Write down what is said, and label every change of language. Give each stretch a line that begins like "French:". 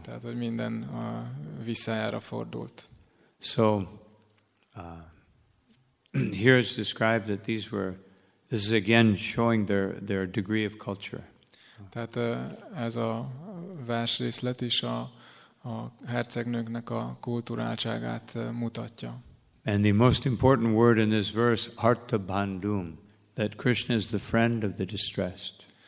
Hungarian: Tehát, hogy minden visszájára fordult.
English: So, here it's described that these were, this is again showing their degree of culture.
Hungarian: Tehát ez a vers részlet is a hercegnőknek a kulturáltságát mutatja.
English: And the most important word in this verse, artha bandhum, that Krishna is the friend of the distressed.